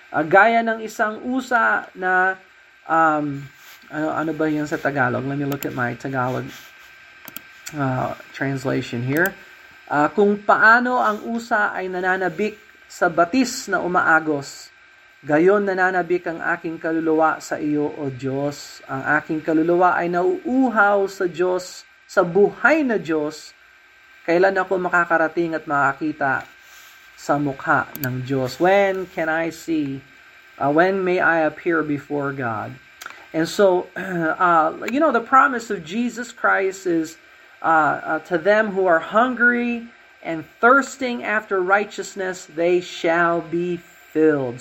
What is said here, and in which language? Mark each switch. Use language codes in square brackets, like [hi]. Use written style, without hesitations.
[tl] Gaya ng isang usa na, ano ba yun sa Tagalog? [en] Let me look at my Tagalog translation here. [tl] Kung paano ang usa ay nananabik sa batis na umaagos, gayon nananabik ang aking kaluluwa sa iyo, O Diyos. Ang aking kaluluwa ay nauuhaw sa Diyos, sa buhay na Diyos. Kailan ako makakarating at makakita sa mukha ng Diyos? [en] When can I see? When may I appear before God? And so, you know, the promise of Jesus Christ is, to them who are hungry and thirsting after righteousness, they shall be filled.